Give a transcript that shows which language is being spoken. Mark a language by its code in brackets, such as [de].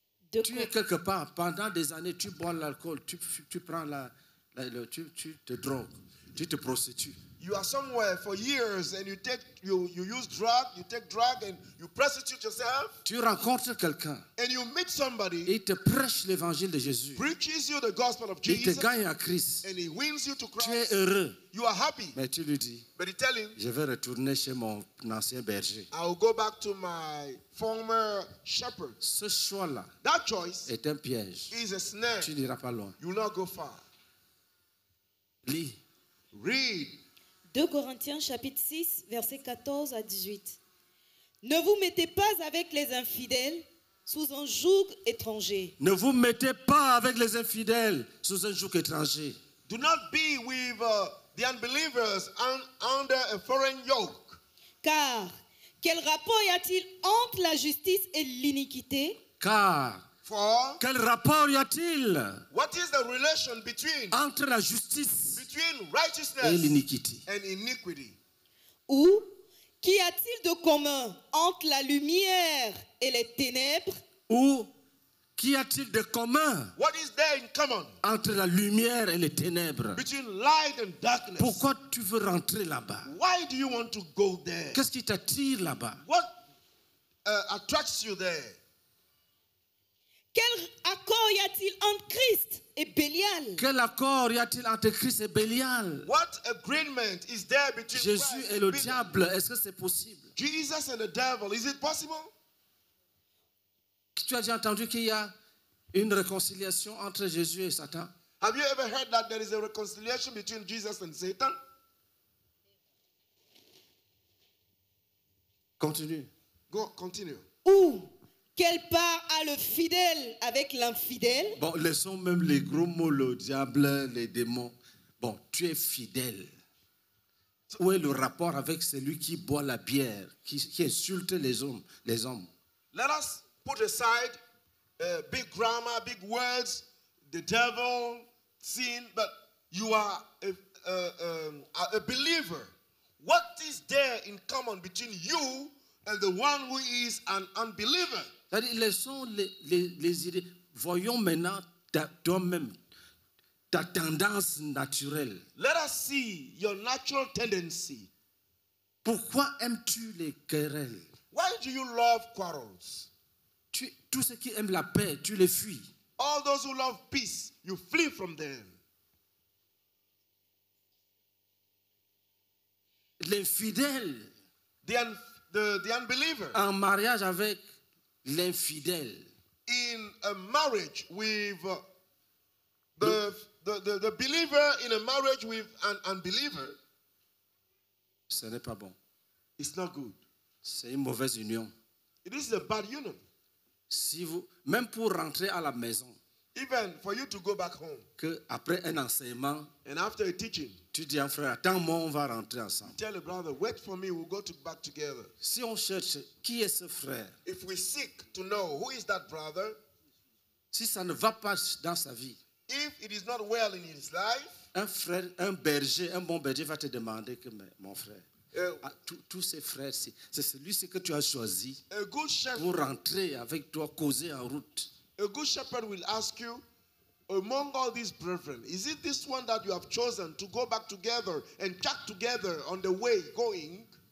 [fr] De tu es quelque part pendant des années, tu bois l'alcool, tu te drogues, tu te prostitues. [en] You are somewhere for years and you take drug and you prostitute yourself. [fr] Tu rencontres quelqu'un. [en] And you meet somebody. [fr] Et il te prêche l'évangile de Jésus. [en] Preaches you the gospel of Jesus. [fr] Il te gagne à Christ. [en] And he wins you to Christ. [fr] Tu es heureux. [en] You are happy. [fr] Mais tu lui dis, [en] but he tell him, [fr] je vais retourner chez mon ancien berger. [en] I will go back to my former shepherd. [fr] Ce choix-là, [en] that choice, [fr] est un piège. [en] Is a snare. [fr] Tu n'iras pas loin. [en] You will not go far. [fr] Lis. [en] Read. [fr] 2 Corinthiens, chapitre 6, versets 14 à 18. Ne vous mettez pas avec les infidèles sous un joug étranger. Ne vous mettez pas avec les infidèles sous un joug étranger. [en] Do not be with the unbelievers under a foreign yoke. [fr] Car, quel rapport y a-t-il entre la justice et l'iniquité? Car, [en] for, [fr] quel rapport y a-t-il, [en] what is the relation between, [fr] entre la justice, [en] between righteousness [fr] et l'iniquité, [en] and iniquity. [fr] Ou qu'y a-t-il de commun entre la lumière et les ténèbres? Ou qu'y a-t-il de commun, [en] what is there in common, [fr] entre la lumière et les ténèbres? [en] Between light and darkness. [fr] Pourquoi tu veux rentrer là-bas? [en] Why do you want to go there? [fr] Qu'est-ce qui t'attire là-bas? [en] What attracts you there? [fr] Quel accord y a-t-il entre Christ et Bélial? Quel accord y a-t-il entre Christ et Bélial? [en] What agreement is there between [fr] Jésus et le diable? Est-ce que c'est possible? [en] Jesus and the devil, is it possible? [fr] Tu as déjà entendu qu'il y a une réconciliation entre Jésus et Satan? [en] Have you ever heard that there is a reconciliation between Jesus and Satan? [fr] Continue. [en] Go, continue. [fr] Où? Quelle part a le fidèle avec l'infidèle? Bon, laissons même les gros mots, le diable, les démons. Bon, tu es fidèle. Où est le rapport avec celui qui boit la bière, qui insulte les hommes? [en] Let us put aside big grammar, big words, the devil, sin, but you are a believer. What is there in common between you and the one who is an unbeliever? [fr] C'est-à-dire, laissons les idées. Voyons maintenant toi-même, ta tendance naturelle. [en] Let us see your natural tendency. [fr] Pourquoi aimes-tu les querelles? [en] Why do you love quarrels? [fr] Tous ceux qui aiment la paix, tu les fuis. [en] All those who love peace, you flee from them. [fr] L'infidèle. [en] The, un, the unbeliever. [fr] En mariage avec l'infidèle. [en] In a marriage with the believer in a marriage with an unbeliever. [fr] Ce n'est pas bon. [en] It's not good. [fr] C'est une mauvaise union. [en] It is a bad union. [fr] Si vous, même pour rentrer à la maison. [en] Even for you to go back home. [fr] Que après un enseignement. [en] And after a teaching. [fr] Tu dis à un frère, attends-moi, on va rentrer ensemble. [en] Tell a brother, wait for me, we'll go to back together. [fr] Si on cherche qui est ce frère. [en] If we seek to know who is that brother. [fr] Si ça ne va pas dans sa vie. [en] If it is not well in his life. [fr] Un frère, un berger, un bon berger va te demander que mon frère. Tous ces frères, c'est celui-ci que tu as choisi pour rentrer avec toi, causer en route. [en] A good shepherd will ask you, among all these brethren, is it this one that you have chosen to go back together and chat together on the way going?